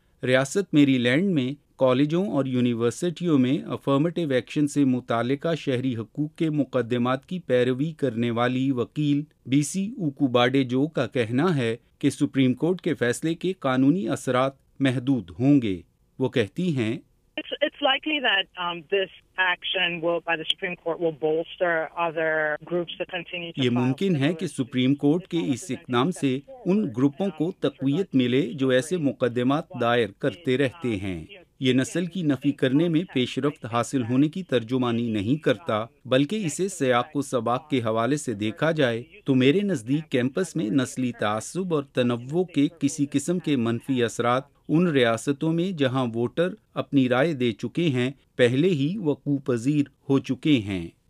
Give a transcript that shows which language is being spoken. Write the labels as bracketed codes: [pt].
[ur] ریاست میری لینڈ میں کالجوں اور یونیورسٹیوں میں افرمیٹیو ایکشن سے متعلقہ شہری حقوق کے مقدمات کی پیروی کرنے والی وکیل بی سی اوکوباڈے جو کا کہنا ہے کہ سپریم کورٹ کے فیصلے کے قانونی اثرات محدود ہوں گے. وہ کہتی ہیں [en] likely that this action will by the supreme court will bolster other groups that continue to [ur] یہ ممکن ہے کہ سپریم کورٹ کے اس اقدام سے ان گروپوں کو تقویت ملے جو ایسے مقدمات دائر کرتے رہتے ہیں. یہ نسل کی نفی کرنے میں پیش رفت حاصل ہونے کی ترجمانی نہیں کرتا بلکہ اسے سیاق و سباق کے حوالے سے دیکھا جائے تو میرے نزدیک کیمپس میں نسلی تعصب اور تنوع کے کسی قسم کے منفی اثرات ان ریاستوں میں جہاں ووٹر اپنی رائے دے چکے ہیں پہلے ہی وقوع پذیر ہو چکے ہیں.